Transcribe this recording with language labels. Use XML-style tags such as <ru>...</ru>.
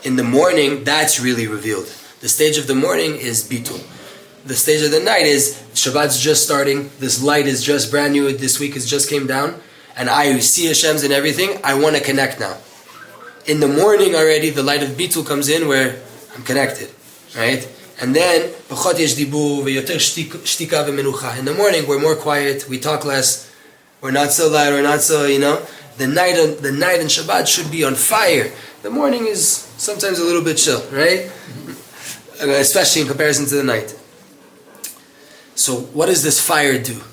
<en>In the morning, that's really revealed. The stage of the morning is Bitul. The stage of the night is Shabbat's just starting. This light is just brand new. This week has just came down. And I see Hashem's in everything, I want to connect now. In the morning already, the light of Bitul comes in where I'm connected, right? And then,</en> <he>פחות יש דיבור ויותר שתיקה ומנוחה.</he> <en>In the morning, we're more quiet, we talk less, we're not so loud, we're not so, you know. The night and Shabbat should be on fire. The morning is sometimes a little bit chill, right? Especially in comparison to the night. So what does this fire do?</en>